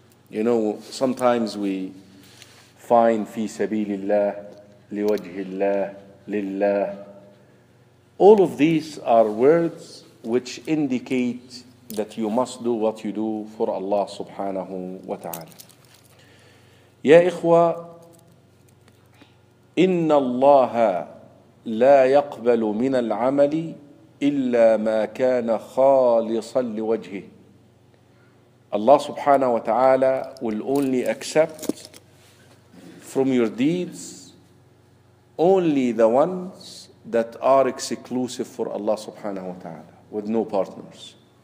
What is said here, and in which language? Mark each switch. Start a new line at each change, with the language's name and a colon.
English: You know, sometimes we find
Arabic: في سبيل الله لوجه الله لله.
English: All of these are words which indicate that you must do what you do for Allah subhanahu wa ta'ala.
Arabic: يا إخوة إن الله لا يقبل من العمل إلا ما كان خالصا لوجهه.
English: Allah subhanahu wa ta'ala will only accept from your deeds only the ones that are exclusive for Allah subhanahu wa ta'ala, with no partners.